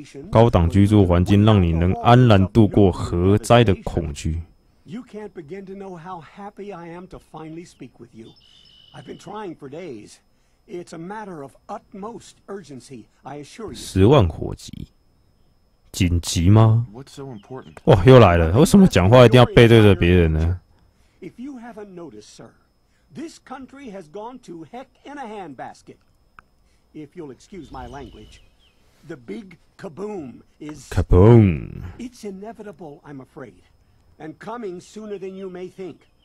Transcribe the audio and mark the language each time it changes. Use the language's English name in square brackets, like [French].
[Chinese] 高档居住环境让你能安然度过核灾的恐惧。 [English] You can't begin to know how happy I am to finally speak with you. I've been trying for days. It's a matter of utmost urgency, I assure you. [Chinese] 十万火急。紧急吗？哇，又来了！为什么讲话一定要背对着别人呢？ [English] If you haven't noticed, sir, this country has gone to heck in a handbasket. If you'll excuse my language, the big kaboom is kaboom. It's inevitable, I'm afraid, and coming sooner than you may think.